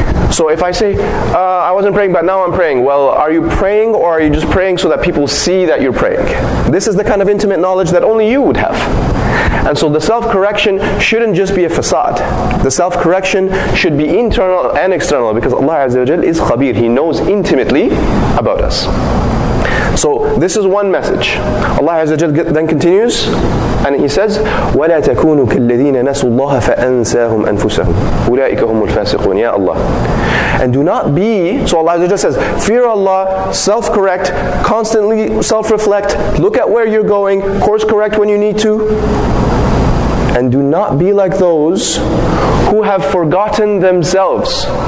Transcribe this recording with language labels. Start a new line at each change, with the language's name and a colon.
English: So if I say, I wasn't praying, but now I'm praying. Well, are you praying or are you just praying so that people see that you're praying? This is the kind of intimate knowledge that only you would have. And so the self-correction shouldn't just be a facade. The self-correction should be internal and external because Allah Azza wa Jalla is khabir. He knows intimately about us. So this is one message. Allah Azza wa Jalla then continues and he says,
Arabic: وَلَا تَكُونُوا كَالَّذِينَ نَسُوا اللَّهَ فَأَنْسَاهُمْ أَنفُسَهُمْ أُولَٰئِكَ هُمُ الْفَاسِقُونَ.
English: Ya Allah. And do not be, so Allah Azza wa Jalla says, fear Allah, self-correct, constantly self-reflect, look at where you're going, course correct when you need to. And do not be like those who have forgotten themselves.